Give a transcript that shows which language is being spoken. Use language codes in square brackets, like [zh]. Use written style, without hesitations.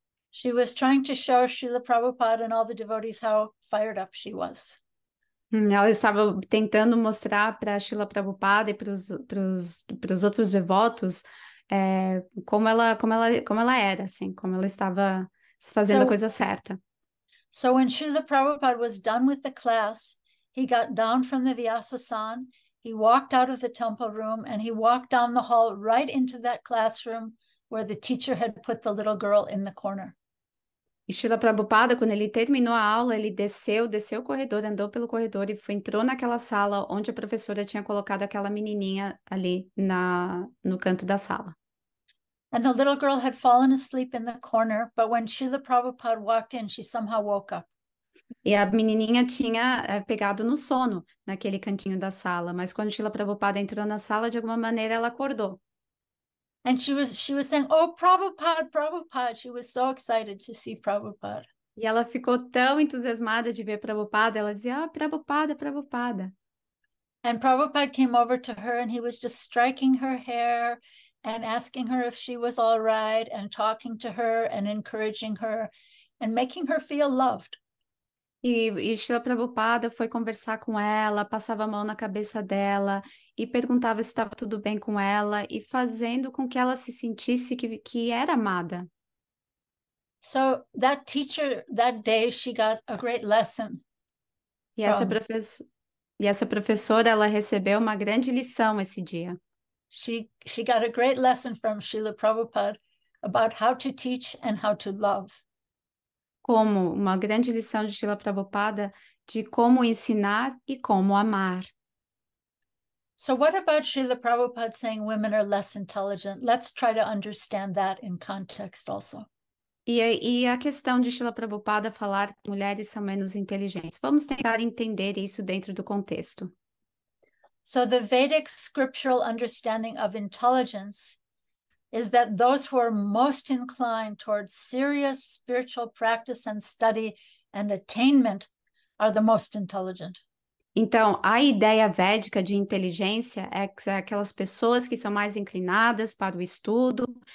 [en] She was trying to show Srila Prabhupada and all the devotees how fired up she was. [pt] Ela estava tentando mostrar para Srila Prabhupada e para os outros devotos como ela era, assim, como ela estava fazendo a coisa certa. [en] So when Srila Prabhupada was done with the class, he got down from the Vyasasan, he walked out of the temple room, and he walked down the hall right into that classroom where the teacher had put the little girl in the corner. [pt] E Srila Prabhupada, quando ele terminou a aula, ele desceu o corredor, andou pelo corredor e foi entrou naquela sala onde a professora tinha colocado aquela menininha ali no canto da sala. [en] And the little girl had fallen asleep in the corner, but when Srila Prabhupada walked in, she somehow woke up. [pt] E a menininha tinha pegado no sono naquele cantinho da sala, mas quando Srila Prabhupada entrou na sala, de alguma maneira ela acordou. [en] And she was saying, "Oh, Prabhupada, Prabhupada." She was so excited to see Prabhupada. [pt] E ela ficou tão entusiasmada de ver Prabhupada, ela dizia, ah, Prabhupada, Prabhupada. [en] And Prabhupada came over to her and he was just striking her hair and asking her if she was all right, and talking to her and encouraging her and making her feel loved. [pt] E Srila Prabhupada foi conversar com ela, passava a mão na cabeça dela e perguntava se estava tudo bem com ela e fazendo com que ela se sentisse que era amada. [en] So that teacher, that day, she got a great lesson [pt] E [en] from. [pt] essa professora, ela recebeu uma grande lição esse dia. [en] She got a great lesson from Srila Prabhupada about how to teach and how to love. [pt] Como uma grande lição de Srila Prabhupada de como ensinar e como amar. [en] So what about Srila Prabhupada saying women are less intelligent? Let's try to understand that in context also. [pt] E a questão de Srila Prabhupada falar que mulheres são menos inteligentes. Vamos tentar entender isso dentro do contexto. [en] So the Vedic scriptural understanding of intelligence is that those who are most inclined towards serious spiritual practice and study and attainment are the most intelligent. [pt] Então, a ideia védica de inteligência é aquelas pessoas que são mais inclinadas para o estudo,